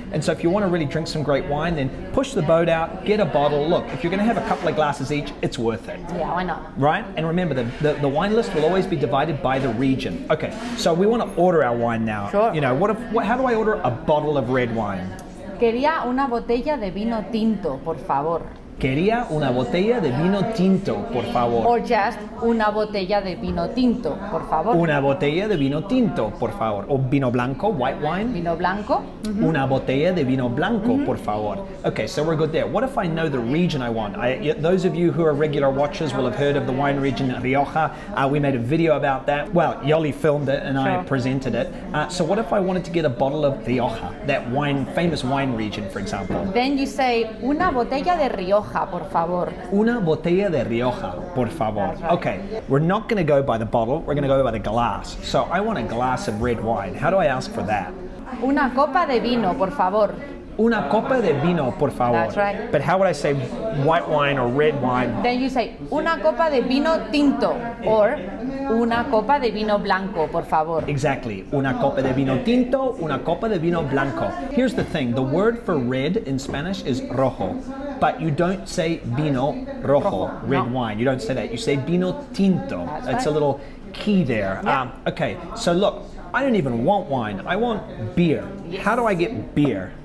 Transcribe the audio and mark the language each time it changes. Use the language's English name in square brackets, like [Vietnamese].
[English] And so if you want to really drink some great wine, then push the boat out, get a bottle. Look, if you're going to have a couple of glasses each, it's worth it. Yeah, why not? Right? And remember, the wine list will always be divided by the region. Okay, so we want to order our wine now. Sure. You know, how do I order a bottle of red wine? [Spanish] Quería una botella de vino tinto, por favor. Quería una botella de vino tinto, por favor. [English] Or just [Spanish] una botella de vino tinto, por favor. Una botella de vino tinto, por favor. O vino blanco, [English] white wine. [Spanish] Vino blanco. Mm-hmm. Una botella de vino blanco, mm-hmm. por favor. [English] Okay, so we're good there. What if I know the region I want? Those of you who are regular watchers will have heard of the wine region of Rioja. We made a video about that. Well, Yoly filmed it and sure. I presented it. So what if I wanted to get a bottle of Rioja, that wine, famous wine region, for example? Then you say, [Spanish] una botella de Rioja. Por favor. Una botella de Rioja, por favor. [English] Right. Okay, we're not going to go by the bottle, we're going to go by the glass. So I want a glass of red wine. How do I ask for that? [Spanish] Una copa de vino, por favor. Una copa de vino, por favor. [English] That's right. But how would I say white wine or red wine? Then you say, [Spanish] una copa de vino tinto, or una copa de vino blanco, por favor. [English] Exactly. [Spanish] Una copa de vino tinto, una copa de vino blanco. [English] Here's the thing, the word for red in Spanish is rojo, but you don't say vino rojo, red no. wine. You don't say that. You say vino tinto. That's it's right. a little key there. Yeah. Okay, so look, I don't even want wine. I want beer. Yes. How do I get beer?